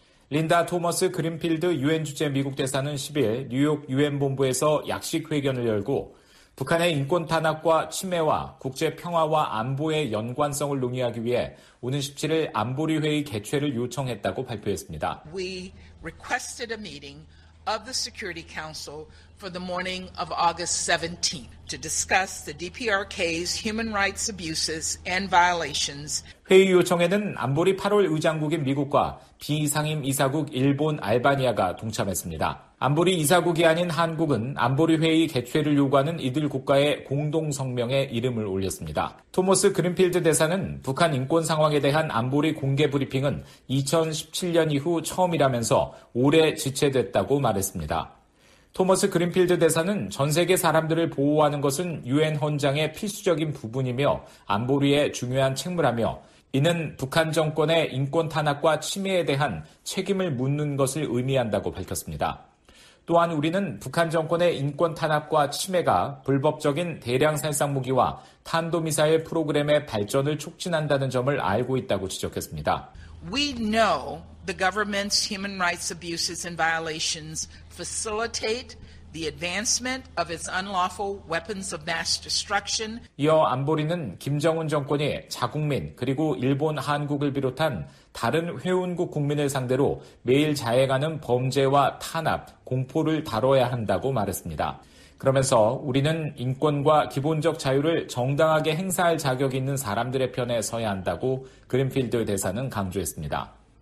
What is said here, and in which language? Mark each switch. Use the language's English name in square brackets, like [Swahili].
[Korean] 린다 토머스 그린필드 유엔 주재 미국 대사는 10일 뉴욕 유엔 본부에서 약식 회견을 열고 북한의 인권 탄압과 침해와 국제 평화와 안보의 연관성을 논의하기 위해 오는 17일 안보리 회의 개최를 요청했다고 발표했습니다. [English] We requested a meeting of the Security Council for the morning of August 17th to discuss the DPRK's human rights abuses and violations. [Korean] 회의 요청에는 안보리 8월 의장국인 미국과 비상임 이사국 일본 알바니아가 동참했습니다. 안보리 이사국이 아닌 한국은 안보리 회의 개최를 요구하는 이들 국가의 공동 성명에 이름을 올렸습니다. 토머스 그린필드 대사는 북한 인권 상황에 대한 안보리 공개 브리핑은 2017년 이후 처음이라면서 오래 지체됐다고 말했습니다. 토머스 그린필드 대사는 전 세계 사람들을 보호하는 것은 유엔 헌장의 필수적인 부분이며 안보리의 중요한 책무라며 이는 북한 정권의 인권 탄압과 침해에 대한 책임을 묻는 것을 의미한다고 밝혔습니다. 또한 우리는 북한 정권의 인권 탄압과 침해가 불법적인 대량 살상무기와 탄도미사일 프로그램의 발전을 촉진한다는 점을 알고 있다고 지적했습니다. [English] We know the government's human rights abuses and violations facilitate the advancement of its unlawful weapons of mass destruction. [Korean] 이어 안보리는 김정은 정권이 자국민 그리고 일본, 한국을 비롯한 다른 회원국 국민을 상대로 매일 자행하는 범죄와 탄압, 공포를 다뤄야 한다고 말했습니다. 그러면서 우리는 인권과 기본적 자유를 정당하게 행사할 자격이 있는 사람들의 편에 서야 한다고 그린필드 대사는 강조했습니다.